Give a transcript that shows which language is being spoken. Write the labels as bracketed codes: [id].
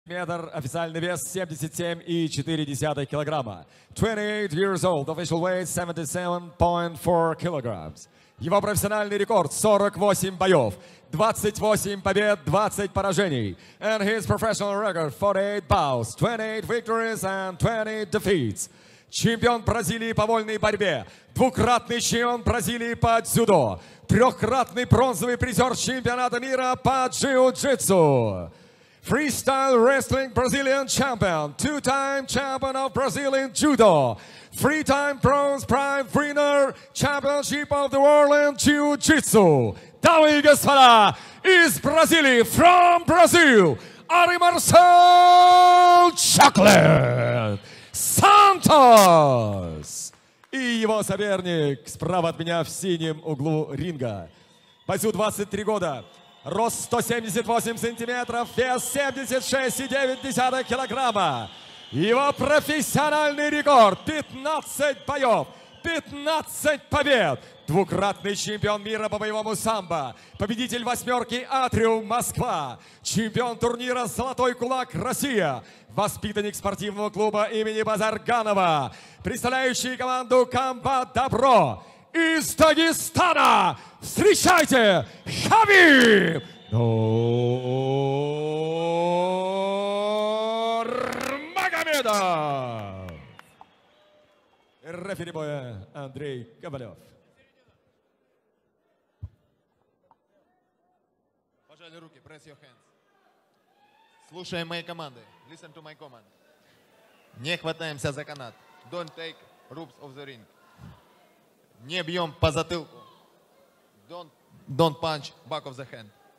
[ru] Метр, официальный вес 77,4 килограмма. [en] 28 years old, official weight 77.4 kilograms. [ru] Его профессиональный рекорд 48 боев, 28 побед, 20 поражений. [en] And his professional record 48 bouts, 28 victories and 20 defeats. [ru] Чемпион Бразилии по вольной борьбе, двукратный чемпион Бразилии по дзюдо, трехкратный бронзовый призер чемпионата мира по джиу-джитсу. [en] Freestyle wrestling Brazilian champion, two-time champion of Brazilian judo, three-time bronze prize winner, championship of the world in jiu-jitsu. [ru] Дамы и господа, из Бразилии, [en] from Brazil, [ru] Ari Marcel Chocolate Santos. И его соперник справа от меня в синем углу ринга. Бойцу 23 года. Рост 178 сантиметров, вес 76,9 килограмма. Его профессиональный рекорд 15 боев, 15 побед. Двукратный чемпион мира по боевому самбо. Победитель восьмерки Атриум Москва. Чемпион турнира «Золотой кулак Россия». Воспитанник спортивного клуба имени Базарганова. Представляющий команду «Комбат Добро». Из Дагестана встречайте Хабиб Нурмагомедов! Рефери боя Андрей Ковалев. Пожали руки, [en] press your hands. [ru] Слушаем мои команды. [en] Listen to my command. [ru] Не хватаемся за канат. [en] Don't take ropes off the ring. [ru] Не бьем по затылку. [en] Don't punch back of the hand.